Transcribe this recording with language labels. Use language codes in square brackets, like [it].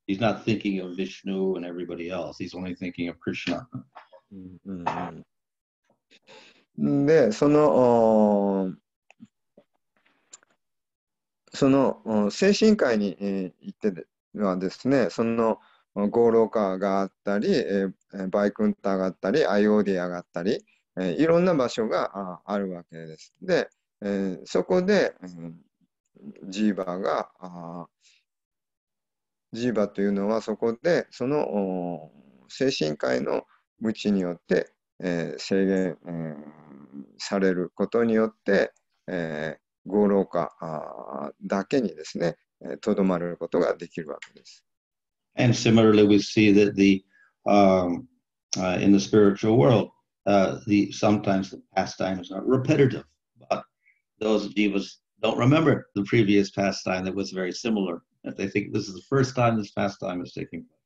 [en] He's not thinking of Vishnu and everybody else. He's only thinking of Krishna. [ja] で、その精神界に行ってはですね、そのゴーローカーがあったり、バイクンターがあったり、アイオーディアがあったり、いろんな場所があるわけです。で、そこで、ジーバーが、ジーバーというのはそこで、その精神界の無知によって、制限、されることによって、ゴーローカーだけにですね、とどまることができるわけです。 [en] And similarly, we see that in the spiritual world, sometimes the pastimes are repetitive, but those jivas don't remember the previous pastime that was very similar. If they think this is the first time this pastime is taking place.